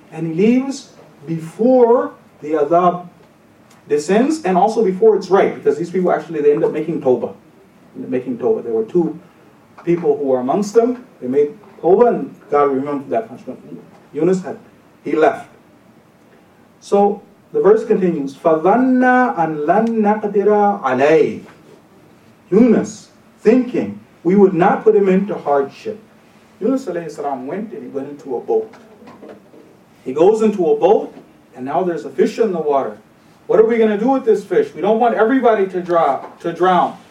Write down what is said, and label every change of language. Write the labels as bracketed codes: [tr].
[en] And he leaves before the adab descends, and also before it's right, because these people actually, they end up making tawbah. There were two people who were amongst them. They made tawbah, and God removed that punishment. Yunus had, he left. So the verse continues, [ar] فَظَنَّا أَن لَن نَقْدِرَ عَلَيْهِ. [en] Yunus, thinking, we would not put him into hardship. Yunus alayhi salam went and he went into a boat. He goes into a boat and now there's a fish in the water. What are we going to do with this fish? We don't want everybody to drown.